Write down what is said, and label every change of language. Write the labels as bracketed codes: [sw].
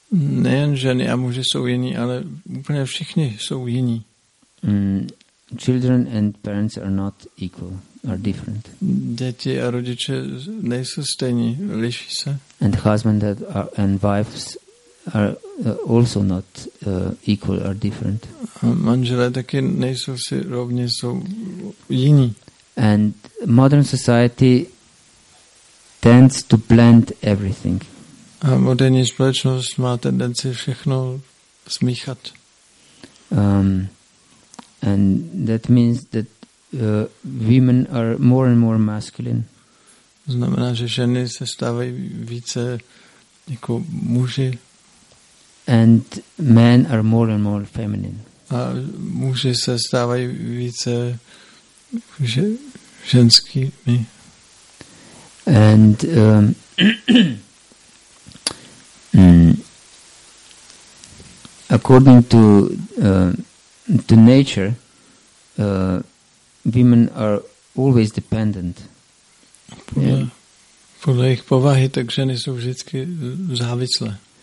[cs] Nejen ženy a muži jsou jiní, ale úplně všichni jsou jiní. [en] Children and parents are not equal, are different. [cs] Děti a rodiče nejsou stejní, liší se. [en] And husband and wives are also not equal, are different. [cs] Manželé taky nejsou si rovni, jsou jiní. [en] And modern society tends to blend everything. [cs] A moderní společnost má tendenci všechno smíchat. [en] And that means that women are more and more masculine. [cs] Znamená, že ženy se stávají více jako muži. [en] And men are more and more feminine. [cs] A muži se stávají více ženskými. [en] And according to nature, women are always dependent. [cs] Podle jejich povahy, tak ženy jsou vždycky závislé.